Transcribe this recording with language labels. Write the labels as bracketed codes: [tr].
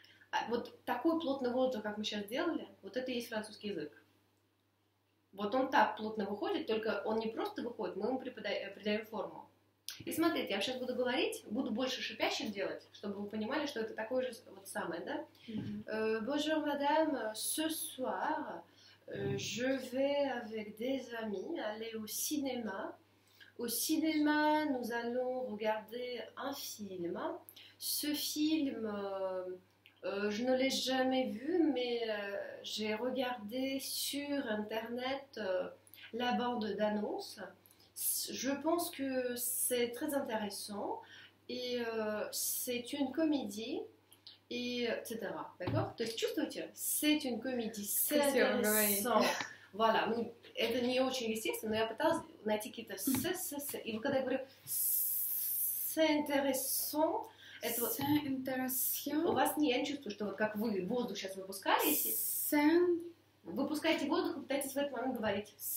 [ru] А вот такой плотный воздух, как мы сейчас делали, вот это и есть французский язык. Вот он так плотно выходит, только он не просто выходит, мы ему придаем форму. И смотрите, я сейчас буду говорить, буду больше шипящих делать, чтобы вы понимали, что это такое же вот самое, да? [fr] Bonjour madame, ce soir je vais avec des amis aller au cinéma. Au cinéma, nous allons regarder un film. Ce film, je ne l'ai jamais vu, mais j'ai regardé sur internet la bande d'annonce. Je pense que c'est très intéressant et c'est une comédie et etc. [ru] D'accord? То есть чувствуете? [fr] C'est une comédie, c'est intéressant. Voilà. [ru] Ну, это не очень естественно, но я пыталась найти какие-то c'est. И вы когда я говорю c'est intéressant, [fr] это вот c'est intéressant. [ru] У вас не, я не чувствую, что вот как вы воздух сейчас выпускаете. [fr] C'est. [ru] Выпускаете воздух и пытаетесь в этот момент говорить.